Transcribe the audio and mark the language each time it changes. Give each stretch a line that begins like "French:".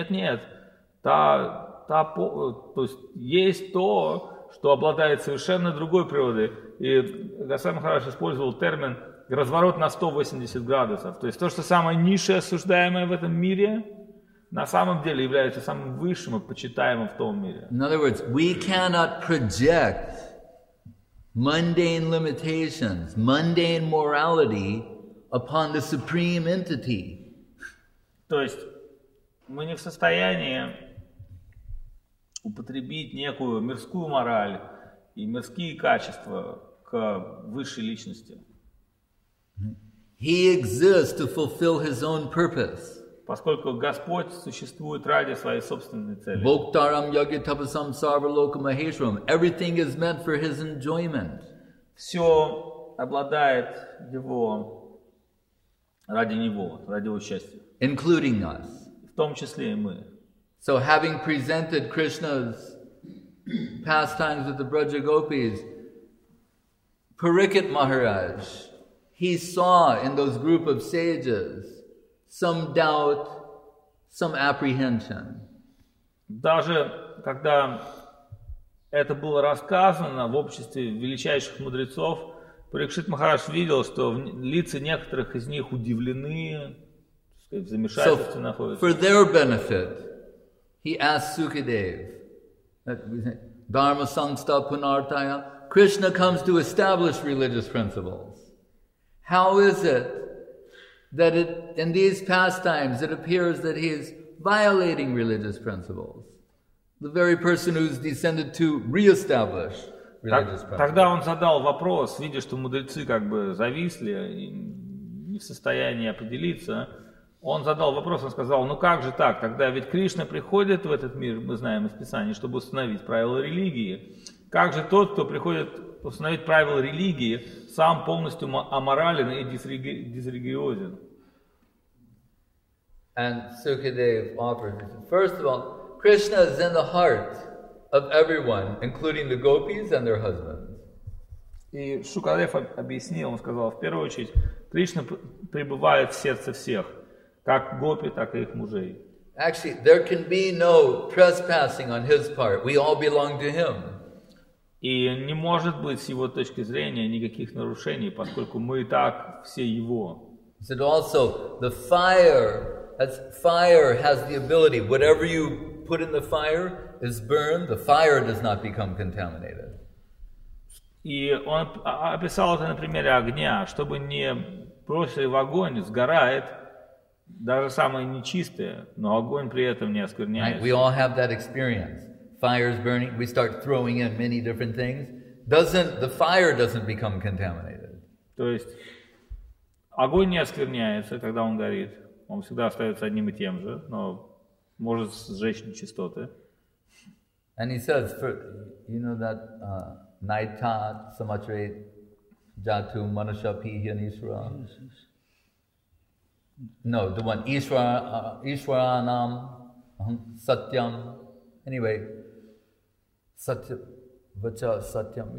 Russian: Нет-нет, то есть есть то, что обладает совершенно другой природой. И Госвами Махарадж использовал термин разворот на 180 градусов. То есть то, что самое низшее осуждаемое в этом мире, на самом деле является самым высшим и почитаемым в том мире.
English: In other words, we cannot project mundane limitations, mundane morality upon the supreme entity.
Russian: То есть мы не в состоянии употребить некую мирскую мораль и мирские качества к высшей личности.
English: He exists to fulfill his own purpose.
Russian: Поскольку Господь существует ради своей собственной цели.
Sanskrit: Боктарам йоги тапасам сарва лока махешвам.
English: Everything is meant for his enjoyment.
Russian: Все обладает его ради него, ради его счастья.
English: Including us.
Russian: В том числе и мы.
English: So having presented Krishna's pastimes with the Braja Gopis, Parikit Maharaj, he saw in those group of sages some doubt, some apprehension.
Russian: Даже когда это было рассказано в обществе величайших мудрецов, Парикшит Махарадж видел, что лица некоторых из них удивлены, в замешательстве находятся.
English: So, for their benefit, he asked Sukadev,
Sanskrit: Dharma Sangsta Punartaya,
English: Krishna comes to establish religious principles. How is it that in these pastimes it appears that he is violating religious principles? The very person who's descended to re-establish religious principles.
Russian: Тогда он задал вопрос, видя, что мудрецы зависли и не в состоянии определиться. Он задал вопрос, он сказал, как же так? Тогда ведь Кришна приходит в этот мир, мы знаем из Писания, чтобы установить правила религии. Как же тот, кто приходит установить правила религии, сам полностью аморален и дисрелигиозен.
English: And Sukadev offered. First of all, Krishna is in the heart of everyone, including the gopis and their husbands.
Russian: И Шукадев объяснил, он сказал, в первую очередь, Кришна пребывает в сердце всех, как гопи, так и их мужей.
English: Actually, there can be no trespassing on his part. We all belong to him.
Russian: И не может быть с его точки зрения никаких нарушений, поскольку мы и так все его.
English: He said also, the fire has the ability, whatever you put in the fire, is burned, the fire does not become contaminated.
Russian: И он описал это на примере огня, чтобы не бросили в огонь, сгорает даже самое нечистое, но огонь при этом не оскверняется.
English: Right? We all have that experience. Fire is burning, we start throwing in many different things. Doesn't the fire doesn't become contaminated?
Russian: То есть огонь не оскверняется, когда он горит. Он всегда остается одним и тем же, но может сжечь нечистоты.
English: And he says, for, you know that
Sanskrit: Naita Samatre Jatu Manashapi Hyanishra.
English: No, the one Ishwaranam Satyam. Anyway,
Sanskrit: Satyam Vacha Satyam.